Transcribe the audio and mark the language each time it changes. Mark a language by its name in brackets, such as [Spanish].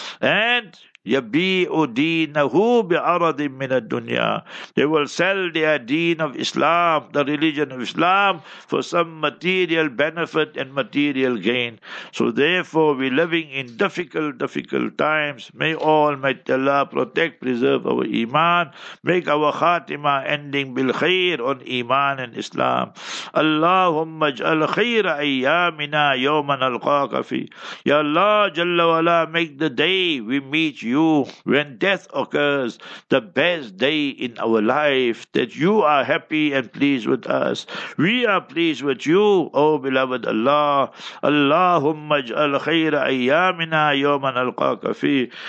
[Arabic] And يَبِيعُ دِينَهُ بِعَرَضٍ مِّنَ الدُّنْيَا. [English] They will sell their deen of Islam, the religion of Islam, for some material benefit and material gain. So therefore, we're living in difficult times. May Almighty Allah protect, preserve our Iman, make our khatima ending بالخير on Iman and Islam. [Arabic] Allahumma اجْعَلْ خَيْرَ أَيَّامِنَا يَوْمَ نَلْقَاكَ فِي. [English] Ya Allah, Jalla wala, make the day we meet you, you, when death occurs, the best day in our life, that you are happy and pleased with us. We are pleased with you, O beloved Allah. [Arabic] Allahumma ij'al khayra ayyamina yawma nalqaka fi.